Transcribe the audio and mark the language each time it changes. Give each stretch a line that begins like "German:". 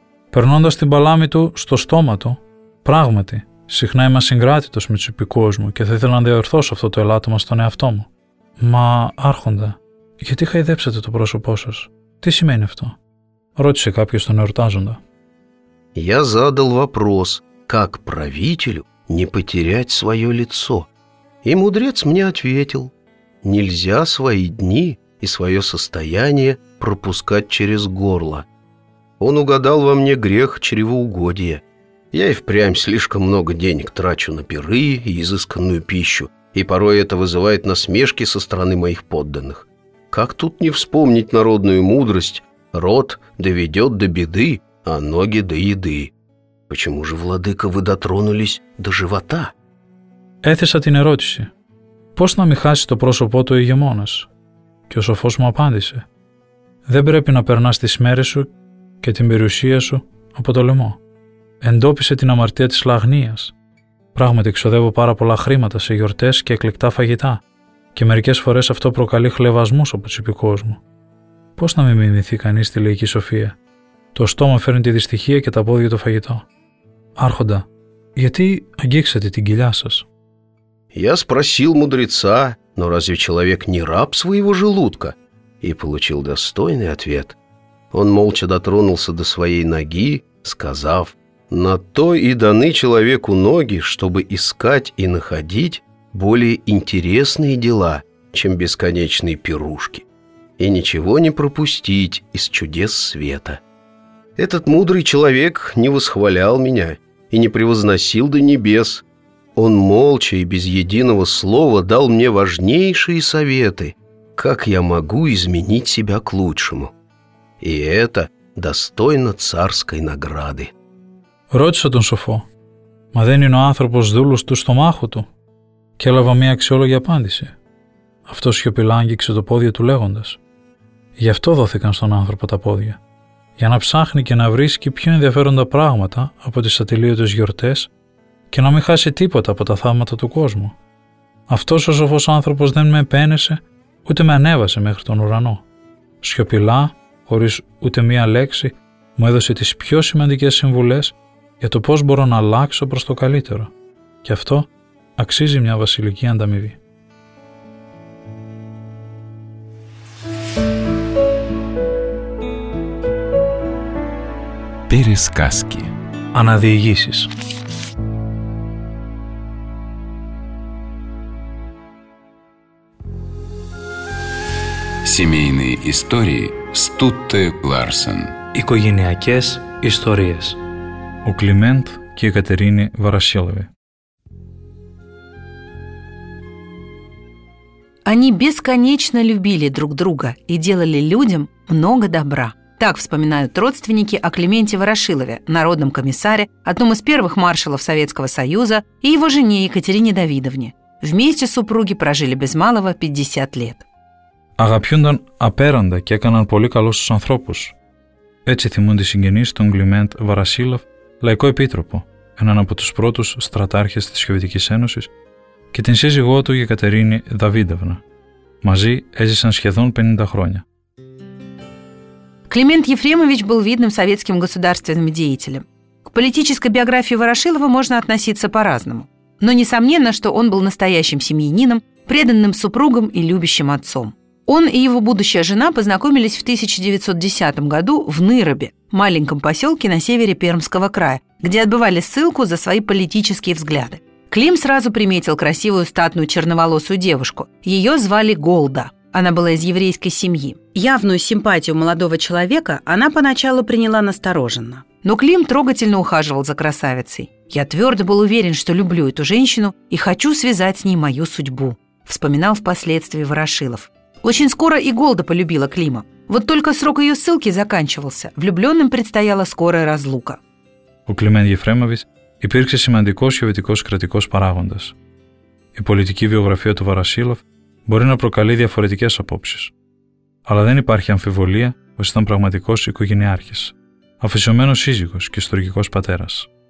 Greek: «Περνώντας την παλάμη του στο στόμα του, πράγματι, συχνά είμαι ασυγκράτητος με τους υπηκούους μου και θα ήθελα να διορθώσω αυτό το ελάττωμα στον εαυτό μου. «Μα, άρχοντα, γιατί χαϊδέψατε το πρόσωπό σας? Τι σημαίνει αυτό?» ρώτησε κάποιος τον εορτάζοντα.
Russian: «Я задал вопрос, как правителю не потерять свое лицо. И мудрец мне ответил, нельзя свои дни и свое состояние пропускать через горло. Он угадал во мне грех чревоугодия. Я и впрямь слишком много денег трачу на пиры и изысканную пищу, и порой это вызывает насмешки со стороны моих подданных. Как тут не вспомнить народную мудрость? Рот доведет до беды, а ноги до еды. Почему же, владыка, вы дотронулись до живота?»
Greek: Έθεσα την ερώτηση. Πώς να μην χάσει το πρόσωπό του ο ηγεμόνας? Και ο σοφός μου απάντησε. Δεν πρέπει να περνάς τις μέρες σου και την περιουσία σου από το λαιμό. Εντόπισε την αμαρτία της λαγνίας. Πράγματι, ξοδεύω πάρα πολλά χρήματα σε γιορτές και εκλεκτά φαγητά. Και μερικές φορές αυτό προκαλεί χλεβασμούς από τους υπηκόους μου. Πώς να μην μιμηθεί κανείς τη λαϊκή σοφία? Το στόμα φέρνει τη δυστυχία και τα πόδια το φαγητό. Άρχοντα, γιατί αγγίξατε την κοιλιά σας?
Russian: Я спросил мудреца, но разве человек не раб своего желудка? И получил достойный ответ. Он молча дотронулся до своей ноги, сказав, «На то и даны человеку ноги, чтобы искать и находить более интересные дела, чем бесконечные пирушки, и ничего не пропустить из чудес света. Этот мудрый человек не восхвалял меня и не превозносил до небес. Он молча и без единого слова дал мне важнейшие советы, как я могу изменить себя к лучшему. И это достойно царской награды».
Greek: Ρώτησα τον σοφό, «Μα δεν είναι ο άνθρωπος δούλος του στομάχου του?» Και έλαβα μια αξιόλογη απάντηση. Αυτό σιωπηλά άγγιξε το πόδι του λέγοντας, «Γι' αυτό δόθηκαν στον άνθρωπο τα πόδια, για να ψάχνει και να βρίσκει πιο ενδιαφέροντα πράγματα από τις ατελείωτες γιορτές και να μην χάσει τίποτα από τα θαύματα του κόσμου. Αυτός ο σοφός άνθρωπος δεν με επένεσε, ούτε με ανέβασε μέχρι τον ουρανό. Σιωπηλά, χωρίς ούτε μία λέξη, μου έδωσε τις πιο σημαντικές συμβουλές για το πώς μπορώ να αλλάξω προς το καλύτερο. Και αυτό αξίζει μια βασιλική ανταμοιβή».
Russian: Пересказки.
Greek: Αναδιηγήσεις.
Russian: Семейные истории Стутте Ларсен.
Greek: Οικογενειακές ιστορίες. Ο Κλιμέντ και η Κατερίνη Βαρασίλοβη.
Russian: Они бесконечно любили друг друга и делали людям много добра. Так вспоминают родственники о Клименте Ворошилове, народном комиссаре, одном из первых маршалов Советского Союза, и его жене Екатерине Давидовне. Вместе супруги прожили без малого 50 лет.
Greek: Αγαπιούνταν απέραντα και έκαναν πολύ καλό στους ανθρώπους. Έτσι θυμούνται οι συγγενείς τον Κλιμέντ Βαρασίλοφ, λαϊκό επίτροπο, έναν από τους πρώτους στρατάρχες της Σοβιετικής Ένωσης, και την σύζυγό του Γεκατερίνη Δαβίδευνα. Μαζί έζησαν σχεδόν 50 χρόνια.
Russian: Климент Ефремович был видным советским государственным деятелем. К политической биографии Ворошилова можно относиться по-разному. Но несомненно, что он был настоящим семьянином, преданным супругом и любящим отцом. Он и его будущая жена познакомились в 1910 году в Ныробе, маленьком поселке на севере Пермского края, где отбывали ссылку за свои политические взгляды. Клим сразу приметил красивую статную черноволосую девушку. Ее звали Голда. Она была из еврейской семьи. Явную симпатию молодого человека она поначалу приняла настороженно. Но Клим трогательно ухаживал за красавицей. «Я твердо был уверен, что люблю эту женщину и хочу связать с ней мою судьбу», вспоминал впоследствии Ворошилов. Очень скоро и Голда полюбила Клима. Вот только срок ее ссылки заканчивался. Влюбленным предстояла скорая разлука.
Greek: У Климент Ефремович υπήρξε σημαντικός σοβιετικός κρατικός παράγοντας. Η πολιτική βιογραφία του Ворошилов μπορεί να προκαλεί διαφορετικές απόψεις. Αλλά δεν υπάρχει αμφιβολία ότι ήταν πραγματικός οικογενειάρχης, αφοσιωμένος σύζυγος και ιστορικός πατέρας.